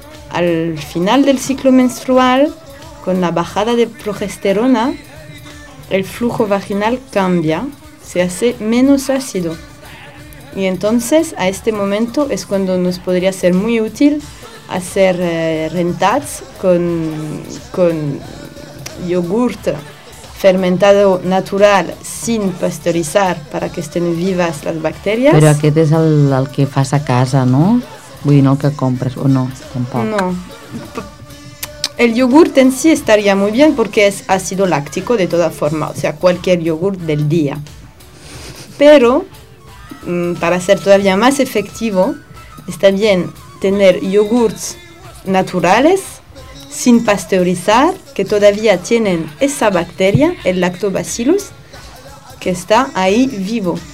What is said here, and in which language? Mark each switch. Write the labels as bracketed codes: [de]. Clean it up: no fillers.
[es] Al final del ciclo menstrual, con la bajada de progesterona, el flujo vaginal cambia, se hace menos ácido, y entonces a este momento es cuando nos podría ser muy útil hacer rentats con yogurt fermentado natural sin pasteurizar para que estén vivas las bacterias. [ca] Pero aquest és el que fas a casa, no? Vull dir, no el que compres, o no, tampoc. No. [es] El yogurt en sí estaría muy bien porque es ácido láctico de toda forma, o sea, cualquier yogurt del día. Pero, para ser todavía más efectivo, está bien tener yogurts naturales sin pasteurizar, que todavía tienen esa bacteria, el lactobacillus, que está ahí vivo.